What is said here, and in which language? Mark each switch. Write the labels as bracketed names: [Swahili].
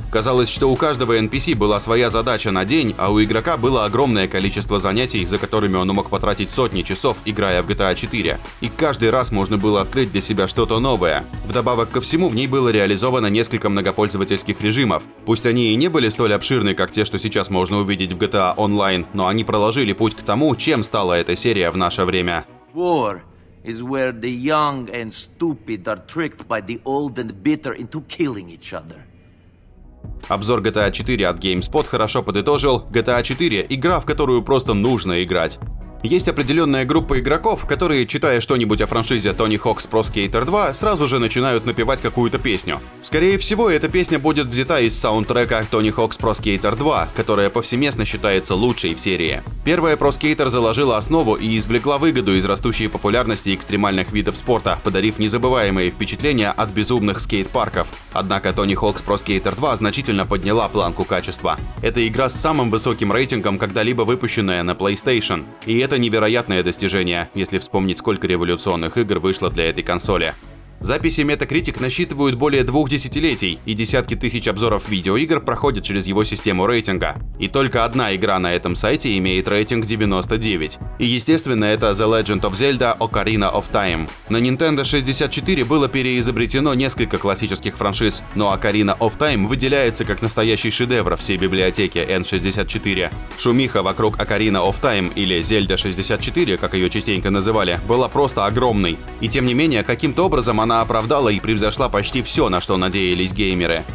[Russian] Казалось, что у каждого NPC была своя задача на день, а у игрока было огромное количество занятий, за которыми он мог потратить сотни часов, играя в GTA 4. И каждый раз можно было открыть для себя что-то новое. Вдобавок ко всему, в ней было реализовано несколько многопользовательских режимов. Пусть они и не были столь обширны, как те, что сейчас можно увидеть в GTA Online, но они проложили путь к тому, чем стала эта серия в наше время. [English] War is where the young and stupid are tricked by the old and bitter into killing each other. [Russian] Обзор GTA 4 от GameSpot хорошо подытожил: GTA 4 — игра, в которую просто нужно играть. Есть определенная группа игроков, которые, читая что-нибудь о франшизе Tony Hawk's Pro Skater 2, сразу же начинают напевать какую-то песню. Скорее всего, эта песня будет взята из саундтрека Tony Hawk's Pro Skater 2, которая повсеместно считается лучшей в серии. Первая Pro Skater заложила основу и извлекла выгоду из растущей популярности экстремальных видов спорта, подарив незабываемые впечатления от безумных скейт-парков. Однако Tony Hawk's Pro Skater 2 значительно подняла планку качества. Это игра с самым высоким рейтингом, когда-либо выпущенная на PlayStation. И это невероятное достижение, если вспомнить, сколько революционных игр вышло для этой консоли. Записи Metacritic насчитывают более 2 десятилетий, и десятки тысяч обзоров видеоигр проходят через его систему рейтинга. И только одна игра на этом сайте имеет рейтинг 99. И естественно, это The Legend of Zelda Ocarina of Time. На Nintendo 64 было переизобретено несколько классических франшиз, но Ocarina of Time выделяется как настоящий шедевр всей библиотеки N64. Шумиха вокруг Ocarina of Time, или Zelda 64, как ее частенько называли, была просто огромной. И тем не менее, каким-то образом она оправдала и превзошла почти все, на что надеялись геймеры.